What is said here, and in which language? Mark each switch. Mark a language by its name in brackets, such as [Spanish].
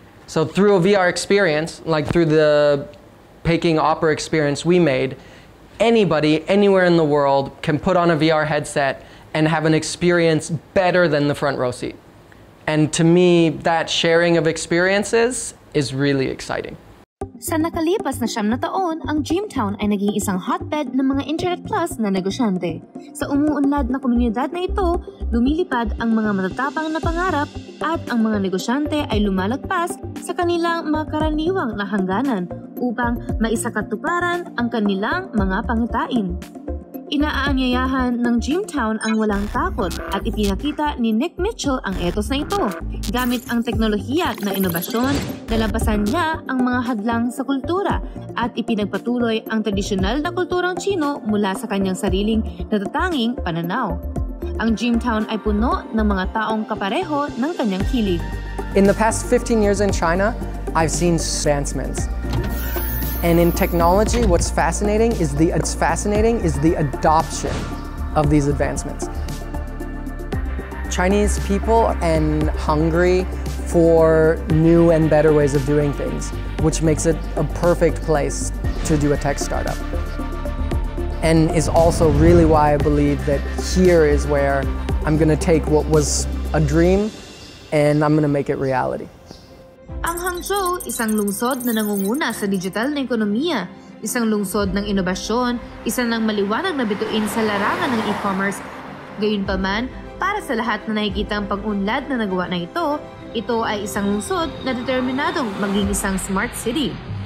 [English] So through a VR experience, like through the Peking Opera experience we made, anybody, anywhere in the world can put on a VR headset and have an experience better than the front row seat. And to me, that sharing of experiences is really exciting. [Filipino] Sa nakalipas na 9 na taon, ang Dreamtown ay naging isang hotbed ng mga internet plus na negosyante. Sa umuunlad na komunidad na ito, lumilipad ang mga matatapang na pangarap at ang mga negosyante ay lumalagpas sa kanilang mga karaniwang na hangganan upang maisakatuparan ang kanilang mga pangitain. Inaanyayahan ng Dreamtown ang walang takot at ipinakita ni Nick Mitchell ang ethos na ito. Gamit ang teknolohiya na inobasyon, nalabasan niya ang mga hadlang sa kultura at ipinagpatuloy ang tradisyonal na kulturang Chino mula sa kanyang sariling natatanging pananaw. Ang Dreamtown ay puno ng mga taong kapareho ng kanyang kilig. [English] In the past 15 years in China, I've seen advancements. And in technology, what's fascinating is the adoption of these advancements. Chinese people are hungry for new and better ways of doing things, which makes it a perfect place to do a tech startup. And is also really why I believe that here is where I'm going to take what was a dream and I'm going to make it reality. [Filipino] Ang Hangzhou, isang lungsod na nangunguna sa digital na ekonomiya, isang lungsod ng inobasyon, isa ng maliwanag na bituin sa larangan ng e-commerce. Gayunpaman, para sa lahat na nakikita ang pag-unlad na nagawa na ito, ito ay isang lungsod na determinadong maging isang smart city.